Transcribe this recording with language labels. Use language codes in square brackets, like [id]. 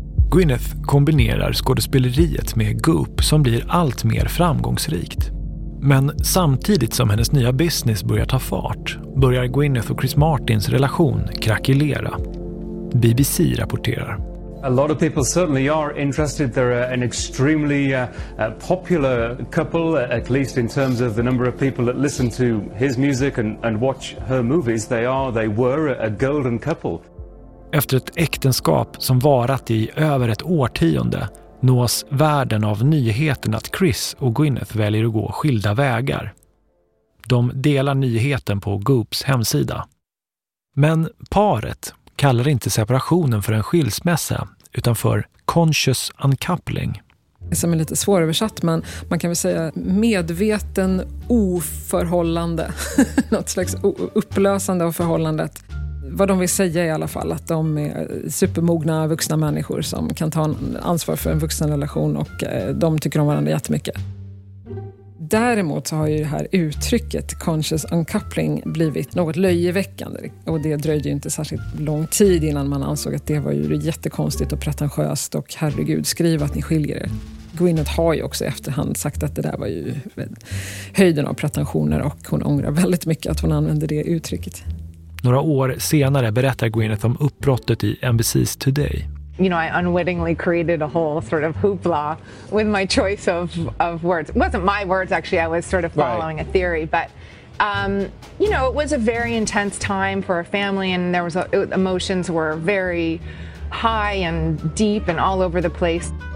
[sv] Gwyneth kombinerar skådespeleriet med Goop som blir allt mer framgångsrikt. Men samtidigt som hennes nya business börjar ta fart börjar Gwyneth och Chris Martins relation krackelera. BBC rapporterar. [en] A lot of people certainly are interested. They're an extremely popular couple, at least in terms of the number of people that listen to his music and watch her movies. They were a golden couple. [sv] Efter ett äktenskap som varat i över ett årtionde nås världen av nyheten att Chris och Gwyneth väljer att gå skilda vägar. De delar nyheten på Goops hemsida. Men paret kallar inte separationen för en skilsmässa utan för conscious uncoupling. Som är lite svåröversatt, men man kan väl säga medveten oförhållande. Något slags upplösande av förhållandet. Vad de vill säga i alla fall, att de är supermogna vuxna människor som kan ta ansvar för en vuxen relation och de tycker om varandra jättemycket. Däremot så har ju det här uttrycket conscious uncoupling blivit något löjeväckande. Och det dröjde ju inte särskilt lång tid innan man ansåg att det var ju jättekonstigt och pretentiöst och herregud, skriv att ni skiljer er. Gwyneth har ju också efterhand sagt att det där var ju höjden av pretensioner och hon ångrar väldigt mycket att hon använde det uttrycket. Några år senare berättar Gwyneth om uppbrottet i NBC's Today. [en] You know, I unwittingly created a whole sort of hoopla with my choice of words. It wasn't my words, actually. I was sort of following a theory. But, you know, it was a very intense time for our family. And there was emotions were very high and deep and all over the place.